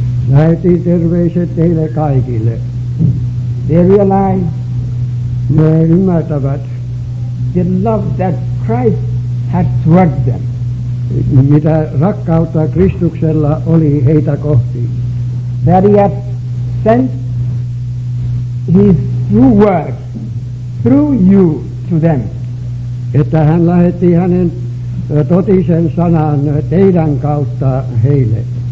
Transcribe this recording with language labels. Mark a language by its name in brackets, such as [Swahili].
[Finnish] Lähetin terveiset teille kaikille. [English] They realize. [Finnish] Ne ymmärtävät. [English] The love that Christ had toward them. [Finnish] Mitä rakkautta Kristuksella oli heitä kohti. [English] That he had sent his true word through you to them. [Finnish] Että hän lähetti hänen totisen sanan teidän kautta heille.